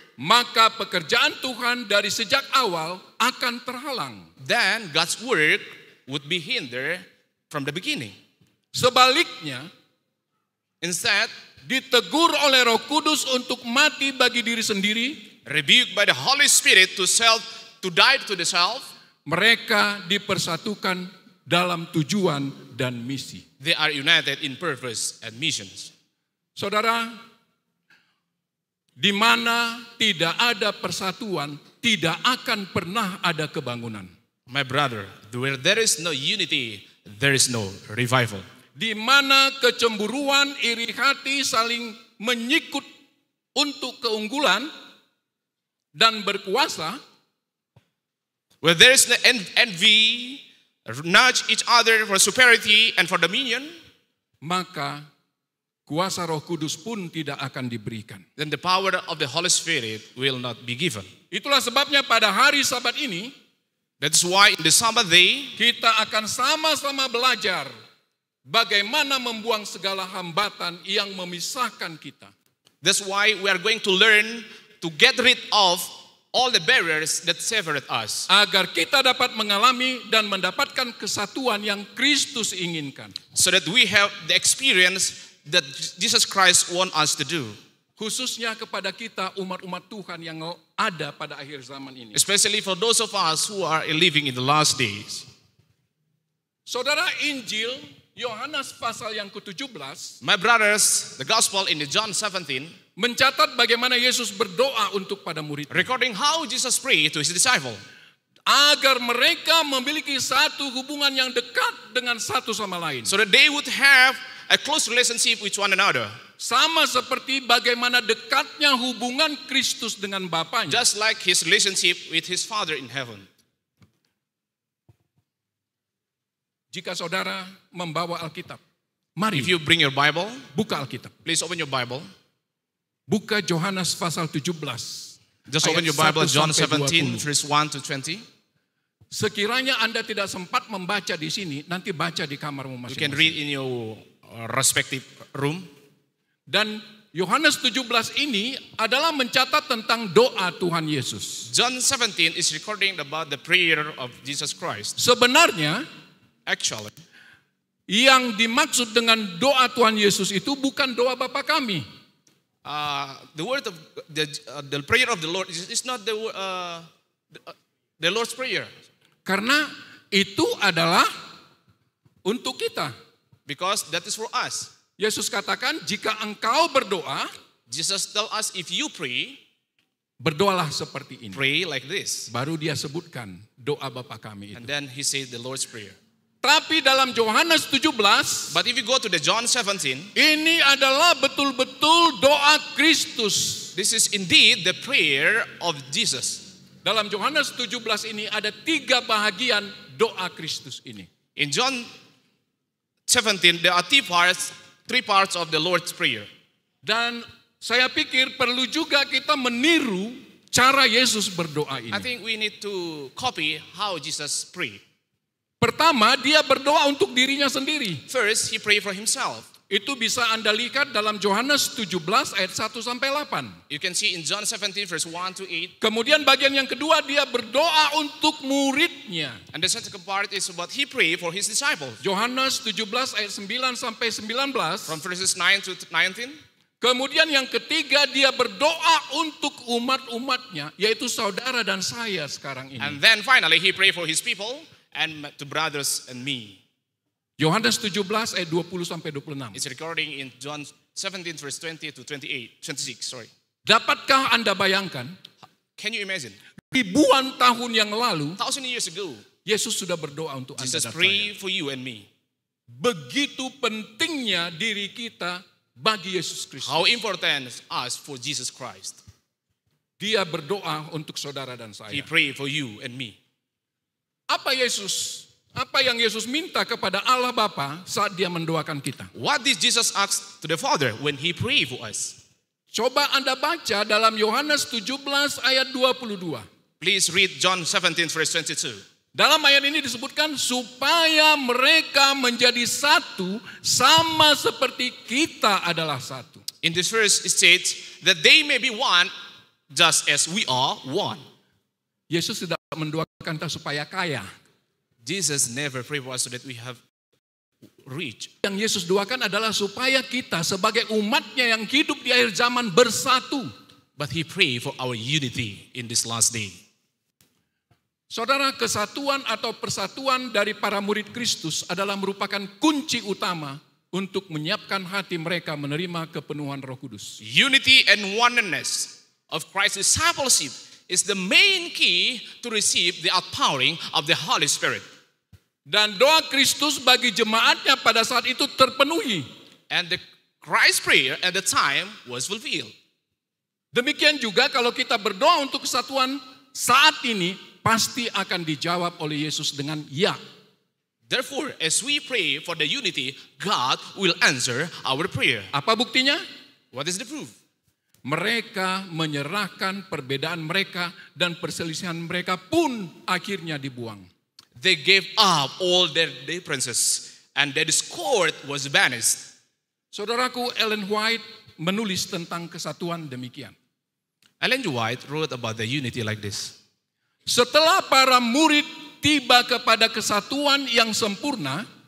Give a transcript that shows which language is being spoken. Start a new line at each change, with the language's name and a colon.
Indonesian: maka pekerjaan Tuhan dari sejak awal akan terhalang.
English: Then God's work would be hindered from the beginning.
Indonesian: Sebaliknya,
English: instead,
Indonesian: ditegur oleh Roh Kudus untuk mati bagi diri sendiri,
English: rebuked by the Holy Spirit to die to the self,
Indonesian: mereka dipersatukan dalam tujuan dan misi.
English: They are united in purpose and missions.
Indonesian: Saudara, di mana tidak ada persatuan, tidak akan pernah ada kebangunan.
English: My brother, where there is no unity, there is no revival.
Indonesian: Di mana kecemburuan, iri hati saling menyikut untuk keunggulan dan berkuasa,
English: where there is no envy, nudge each other for superiority and for dominion,
Indonesian: maka kuasa Roh Kudus pun tidak akan diberikan.
English: Then the power of the Holy Spirit will not be given.
Indonesian: Itulah sebabnya pada hari Sabat ini,
English: that's why in the Sabbath day,
Indonesian: kita akan sama-sama belajar bagaimana membuang segala hambatan yang memisahkan kita.
English: That's why we are going to learn to get rid of all the barriers that separate us.
Indonesian: Agar kita dapat mengalami dan mendapatkan kesatuan yang Kristus inginkan.
English: So that we have the experience that Jesus Christ want us to do.
Indonesian: Khususnya kepada kita umat-umat Tuhan yang ada pada akhir zaman ini.
English: Especially for those of us who are living in the last days.
Indonesian: Saudara, Injil Yohanes pasal yang ke-17.
English: My brothers, the gospel in the John 17.
Indonesian: Mencatat bagaimana Yesus berdoa untuk pada murid.
English: Recording how Jesus pray to his disciple.
Indonesian: Agar mereka memiliki satu hubungan yang dekat dengan satu sama lain.
English: So that they would have a close relationship with one another.
Indonesian: Sama seperti bagaimana dekatnya hubungan Kristus dengan Bapanya.
English: Just like his relationship with his Father in heaven.
Indonesian: Jika saudara membawa Alkitab, mari.
English: If you bring your Bible,
Indonesian: buka Alkitab.
English: Please open your Bible.
Indonesian: Buka Yohanes pasal 17.
English: Just open your Bible, John 17, verse 1 to 20.
Indonesian: Sekiranya Anda tidak sempat membaca di sini, nanti baca di kamarmu masing-masing.
English: You can read in your respective room.
Indonesian: Dan Yohanes 17 ini adalah mencatat tentang doa Tuhan Yesus.
English: John 17 is recording about the prayer of Jesus Christ.
Indonesian: Sebenarnya,
English: actually,
Indonesian: yang dimaksud dengan doa Tuhan Yesus itu bukan doa Bapa kami.
English: The prayer of the Lord is not the Lord's prayer.
Indonesian: Karena itu adalah untuk kita.
English: Because that is for us.
Indonesian: Yesus katakan jika engkau berdoa,
English: Jesus tell us if you pray,
Indonesian: berdoalah seperti ini.
English: Pray like this.
Indonesian: Baru dia sebutkan doa Bapa kami itu.
English: And then he said the Lord's prayer.
Indonesian: Tapi dalam Yohanes 17,
English: but if you go to the John 17,
Indonesian: ini adalah betul-betul doa Kristus.
English: This is indeed the prayer of Jesus.
Indonesian: Dalam Yohanes 17 ini ada tiga bahagian doa Kristus ini.
English: In John 17 there are three parts of the Lord's prayer.
Indonesian: Dan Saya pikir perlu juga kita meniru cara Yesus berdoa ini.
English: I think we need to copy how Jesus pray.
Indonesian: Pertama, dia berdoa untuk dirinya sendiri.
English: First, he pray for himself.
Indonesian: Itu bisa Anda lihat dalam Yohanes 17 ayat 1 sampai 8.
English: You can see in John 17 verse 1 to 8.
Indonesian: Kemudian bagian yang kedua dia berdoa untuk muridnya.
English: And the second part is about he pray for his disciples.
Indonesian: Yohanes 17 ayat 9 sampai 19.
English: From verses 9 to 19.
Indonesian: Kemudian yang ketiga dia berdoa untuk umat-umatnya, yaitu saudara dan saya sekarang ini.
English: And then finally he pray for his people and to brothers and me.
Indonesian: Yohanes 17 ayat 20 sampai 26.
English: It's recording in John 17 verse 20 to 26, sorry.
Indonesian: Dapatkah Anda bayangkan?
English: Can you imagine?
Indonesian: Ribuan tahun yang lalu,
English: thousand years ago,
Indonesian: Yesus sudah berdoa untuk
English: Jesus
Indonesian: Anda dan
English: pray
Indonesian: saya.
English: For you and me.
Indonesian: Begitu pentingnya diri kita bagi Yesus Kristus.
English: How important is us for Jesus Christ?
Indonesian: Dia berdoa untuk saudara dan saya.
English: He pray for you and me.
Indonesian: Apa yang Yesus minta kepada Allah Bapa saat dia mendoakan kita?
English: What did Jesus ask to the Father when he prayed for us?
Indonesian: Coba Anda baca dalam Yohanes 17 ayat 22.
English: Please read John 17 verse 22.
Indonesian: Dalam ayat ini disebutkan supaya mereka menjadi satu sama seperti kita adalah satu.
English: In this verse it states that they may be one just as we are one.
Indonesian: Yesus tidak mendoakan kita supaya kaya.
English: Jesus never prayed for us so that we have rich.
Indonesian: Yang Yesus doakan adalah supaya kita sebagai umatnya yang hidup di akhir zaman bersatu.
English: But he pray for our unity in this last day.
Indonesian: Saudara, kesatuan atau persatuan dari para murid Kristus adalah merupakan kunci utama untuk menyiapkan hati mereka menerima kepenuhan Roh Kudus.
English: Unity and oneness of Christ's discipleship is the main key to receive the outpouring of the Holy Spirit.
Indonesian: Dan doa Kristus bagi jemaatnya pada saat itu terpenuhi.
English: And the Christ prayer at the time was fulfilled.
Indonesian: Demikian juga kalau kita berdoa untuk kesatuan saat ini, pasti akan dijawab oleh Yesus dengan ya.
English: Therefore, as we pray for the unity, God will answer our prayer.
Indonesian: Apa buktinya?
English: What is the proof?
Indonesian: Mereka menyerahkan perbedaan mereka dan perselisihan mereka pun akhirnya dibuang.
English: They gave up all their differences and their discord was banished.
Indonesian: Saudaraku Ellen White menulis tentang kesatuan demikian.
English: Ellen White wrote about the unity like this.
Indonesian: Setelah para murid tiba kepada kesatuan yang sempurna,